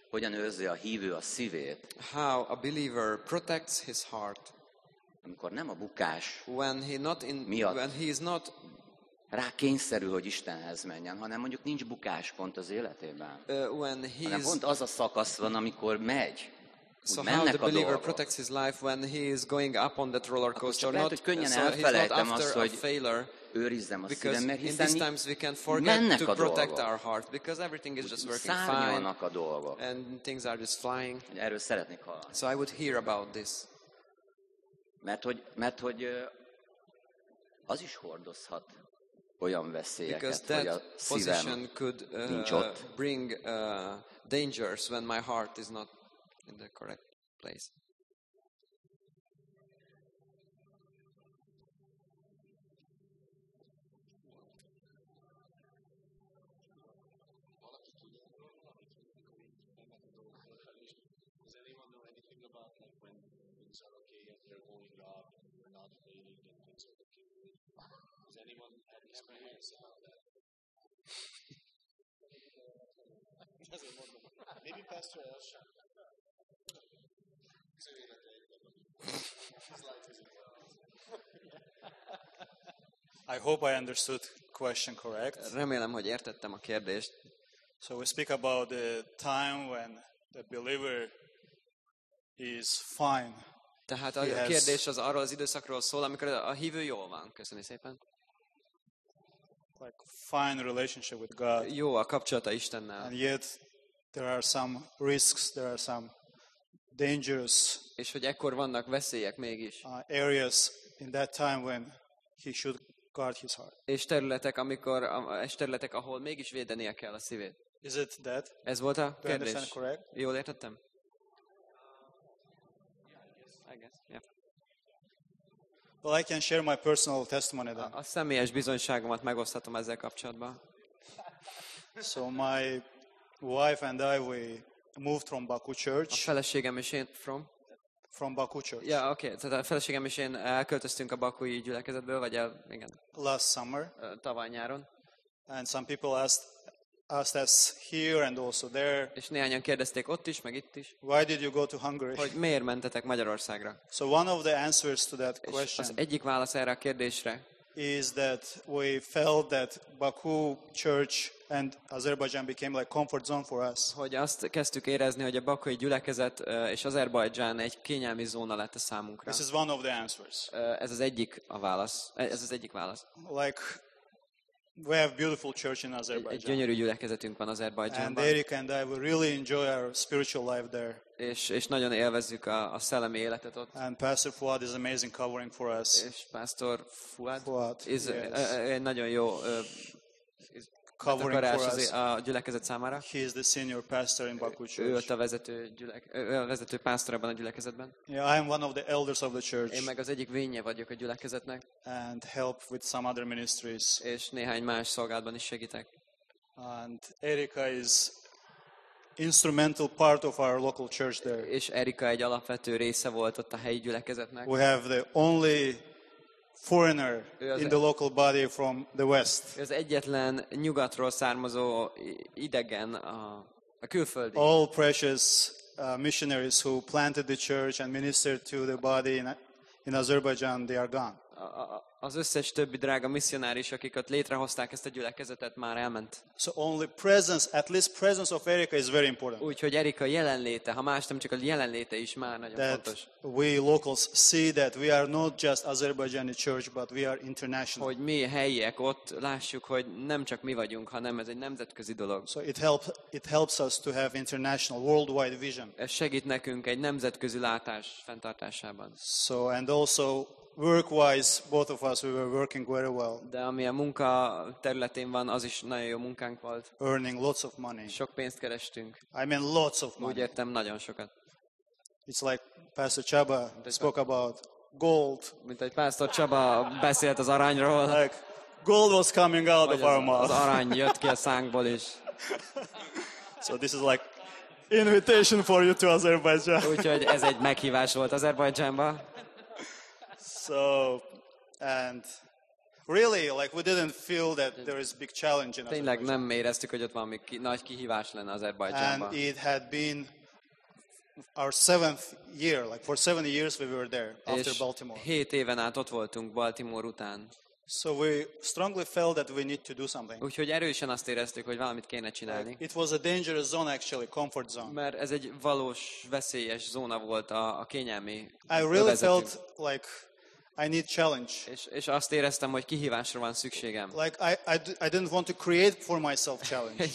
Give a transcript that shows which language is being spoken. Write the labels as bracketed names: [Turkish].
[Hungarian] Hogyan őrzi a hívő a szívét? [English] How a believer protects his heart. [Hungarian] Amikor nem a bukás. [English] When he is not [Hungarian] rá kényszerül, hogy Istenhez menjen, hanem mondjuk nincs bukás pont az életében. [English] When he [Hungarian] hanem pont az a szakasz van, amikor megy. [English] So how the believer protects his life when he is going up on that roller coaster? [Hungarian] Not, lehet, hogy [English] so he's not after [Hungarian] azt, [English] a failure. [Hungarian] Őrizzem a [English] because [Hungarian] szívem, mert [English] in these times we can forget to protect our heart because everything is just working fine. [Hungarian] A dolgok. [English] And things are just flying. [Hungarian] Erről szeretnék hallani. [English] So I would hear about this. [Hungarian] Mert hogy az is hordozhat olyan veszélyeket, hogy a szívem [English] could, [Hungarian] nincs ott. [English] Bring dangers when my heart is not in the correct place. [Hungarian] Valaki tudja, [English] does anyone know anything about like when things are okay and they're going up, they're not failing and things are okay? Does anyone have experience about that? Maybe Pastor Elsha. I hope I understood question correct. [Hungarian] Remélem, hogy értettem a kérdést. [English] So we speak about the time when the believer is fine. [Hungarian] Tehát a kérdés az arról az időszakról szól, amikor a hívő jól van. Köszönöm szépen. [English] Like fine relationship with God. [Hungarian] Jó a kapcsolata Istennel. [English] And yet there are some risks, there are some dangerous. [Hungarian] És hogy ekkor vannak veszélyek mégis. [English] Areas in that time when he should guard his heart. [Hungarian] És területek, amikor és területek, ahol mégis védenie kell a szívét. [English] Is it that? [Hungarian] Ez volt a kérdés. [English] Do I understand correct? [Hungarian] Jól értettem? [English] Yeah, I guess. Yeah. Well, I can share my personal testimony then. [Hungarian] A személyes bizonyságomat megoszthatom ezzel kapcsolatban. [English] So my wife and I we moved from Baku Church. [Hungarian] A feleségem és én from [English] Baku Church. Yeah, okay. [Hungarian] Tehát a feleségem és én elköltöztünk a bakui gyülekezetből, vagy igen. [English] Last summer. [Hungarian] Tavaly nyáron. [English] And some people asked us here and also there. [Hungarian] És néhányan kérdezték ott is, meg itt is. [English] Why did you go to Hungary? [Hungarian] Hogy miért mentetek Magyarországra? [English] So one of the answers to that question. [Hungarian] Az egyik válasz erre a kérdésre. [English] Is that we felt that Baku Church and Azerbaijan became like comfort zone for us. [Hungarian] Hogy azt kezdtük érezni, hogy a bakui gyülekezet és Azerbajdzsán egy kényelmi zóna lett a számunkra. [English] This is one of the answers. [Hungarian] Ez az egyik a válasz. Ez az egyik válasz. [English] Like we have beautiful church in Azerbaijan. [Hungarian] Egy gyönyörű gyülekezetünk van Azerbajdzsánban. [English] And Eric and I will really enjoy our spiritual life there. [Hungarian] És nagyon élvezzük a szellemi életet ott. [English] And Pastor Fuad is amazing covering for us. [Hungarian] És Pastor Fuad is egy nagyon jó [English] covering for us. [Hungarian] A gyülekezet számára. [English] He is the senior pastor in Baku Church. [Hungarian] Ő a vezető pásztor ebben a gyülekezetben. [English] Yeah, I am one of the elders of the church. [Hungarian] Én meg az egyik vénye vagyok a gyülekezetnek. [English] And help with some other ministries. [Hungarian] És néhány más szolgálatban is segítek. [English] And Erika is instrumental part of our local church there. [Hungarian] És Erika egy alapvető része volt ott a helyi gyülekezetnek. [English] We have the only foreigner in the local body from the west. [Hungarian] Ez egyetlen nyugatról származó idegen a külföldi. [English] All precious missionaries who planted the church and ministered to the body in Azerbaijan, they are gone. [Hungarian] az összes többi drága misszionáris, akik ott létrehozták ezt a gyülekezetet, már elment. [English] So only presence, at least presence of Erika is very important. [Hungarian] Úgyhogy Erika jelenléte, ha más nem csak a jelenléte is már nagyon [English] that [Hungarian] fontos. [English] We locals see that we are not just Azerbaijani church, but we are international. [Hungarian] Hogy mi helyiek ott lássuk, hogy nem csak mi vagyunk, hanem ez egy nemzetközi dolog. [English] So it helps us to have international worldwide vision. [Hungarian] Ez segít nekünk egy nemzetközi látás fenntartásában. [English] So and also work-wise, both of us, we were working very well. [Hungarian] De ami a munka területén van, az is nagyon jó munkánk volt. [English] Earning lots of money. [Hungarian] Sok pénzt kerestünk. [English] I mean lots of money. [Hungarian] Úgy értem, nagyon sokat. [English] It's like Pastor Chaba spoke about gold. [Hungarian] Mint egy Pastor Chaba beszélt az arányról. [English] Like gold was coming out of our mouth. [Hungarian] Az arany jött ki a szánkból is. [English] So this is like invitation for you to Azerbaijan. [Hungarian] Úgyhogy ez egy meghívás volt Azerbajdzsánba. [English] So and really like we didn't feel that there is big challenge in Azerbaijan. [Hungarian] Tényleg nem éreztük, hogy ott valami nagy kihívás lenne Azerbajdzsánban. [English] And it had been our seventh year, like for 7 years we were there after Baltimore. [Hungarian] 7 éven át ott voltunk Baltimore után. [English] So we strongly felt that we need to do something. [Hungarian] Úgyhogy erősen azt éreztük, hogy valamit kéne csinálni. [English] It was a dangerous zone actually, comfort zone. [Hungarian] Mert ez egy valós veszélyes zóna volt a kényelmi. [English] I really felt like I need challenge. [Hungarian] És azt éreztem, hogy kihívásra van szükségem. [English] Like I didn't want to create for myself challenge.